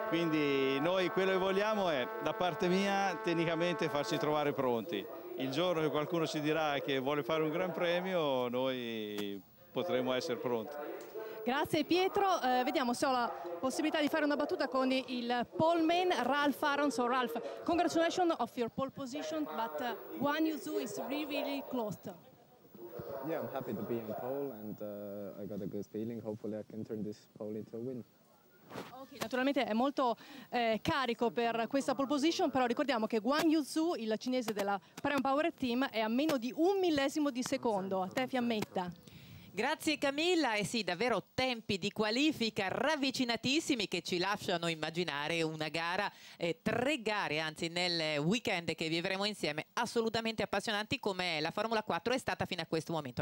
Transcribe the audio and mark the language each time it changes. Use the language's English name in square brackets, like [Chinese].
[Italian] Quindi noi quello che vogliamo è, da parte mia, tecnicamente farci trovare pronti. Il giorno che qualcuno ci dirà che vuole fare un gran premio, noi potremo essere pronti. Grazie Pietro. Vediamo se ho la possibilità di fare una battuta con il pole man Ralph Aaron. [English] So Ralph, congratulations of your pole position, but Guanyu Zhou is really close. Yeah, I'm happy to be in pole and I got a good feeling. Hopefully I can turn this pole into a win. [Italian] Okay, naturalmente è molto carico per questa pole position, però ricordiamo che Guanyu Zhou, il cinese della Prem Power Team, è a meno di un millesimo di secondo. A te Fiammetta. Grazie Camilla, e sì, davvero tempi di qualifica ravvicinatissimi che ci lasciano immaginare una gara, tre gare nel weekend che vivremo insieme, assolutamente appassionanti come la Formula 4 è stata fino a questo momento.